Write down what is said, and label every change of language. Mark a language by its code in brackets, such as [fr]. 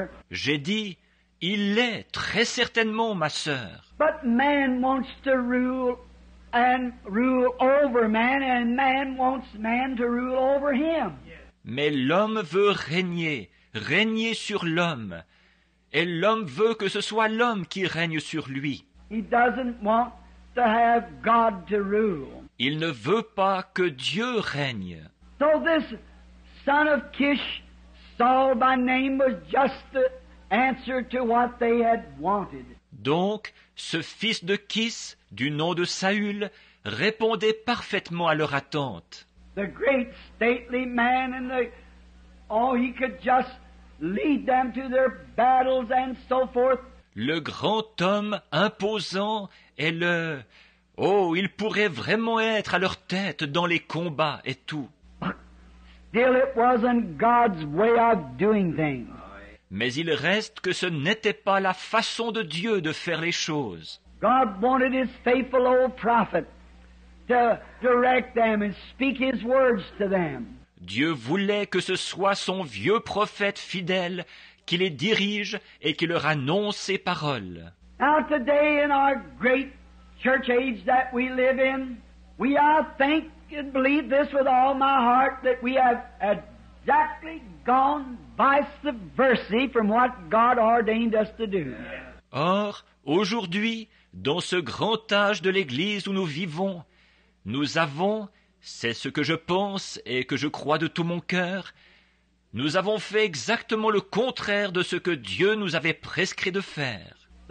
[fr] J'ai dit, il l'est très certainement, ma sœur. [en] But man wants to rule and rule over man, and man wants man to rule over him. [fr] Mais l'homme veut régner, régner sur l'homme, et l'homme veut que ce soit l'homme qui règne sur lui. [en] He doesn't want to have God to rule. [fr] Il ne veut pas que Dieu règne. [en] So this son of Kish, Saul by name, was just the answer to what they had wanted. [fr] Donc, ce fils de Kish, du nom de Saül, répondait parfaitement à leur attente. [en] The great stately man and the, oh, he could just lead them to their battles and so forth. [fr] Le grand homme imposant est le... Oh, il pourrait vraiment être à leur tête dans les combats et tout. [en] Still it wasn't God's way of doing things. [fr] Mais il reste que ce n'était pas la façon de Dieu de faire les choses. [en] God wanted his faithful old prophet to direct them and speak his words to them. [fr] Dieu voulait que ce soit son vieux prophète fidèle qui les dirige et qui leur annonce ses paroles. [en] Now today in our great church age that we live in, we I think and believe this with all my heart that we have exactly gone vice versa from what God ordained us to do. [fr] Or, aujourd'hui, dans ce grand âge de l'Église où nous vivons, nous avons, c'est ce que je pense et que je crois de tout mon cœur, nous avons fait exactement le contraire de ce que Dieu nous avait prescrit de faire.